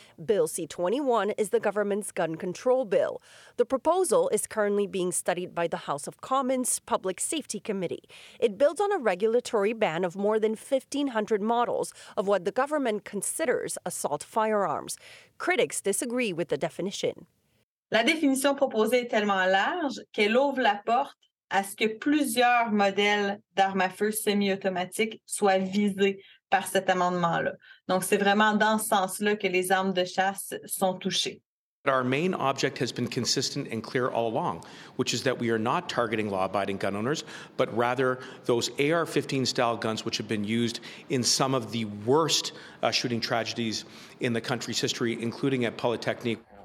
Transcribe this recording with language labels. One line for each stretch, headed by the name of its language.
English: Bill C-21 is the government's gun control bill. The proposal is currently being studied by the House of Commons Public Safety Committee. It builds on a regulatory ban of more than 1,500 models of what the government considers assault firearms. Critics disagree with the definition.
French: La définition proposée est tellement large qu'elle ouvre la porte à ce que plusieurs modèles d'armes à feu semi-automatiques soient visés par cet amendement-là. Donc, c'est vraiment dans ce sens-là que les armes de chasse sont touchées.
English: Our main object has been consistent and clear all along, which is that we are not targeting law-abiding gun owners, but rather those AR-15-style guns which have been used in some of the worst shooting tragedies in the country's history, including at Polytechnique.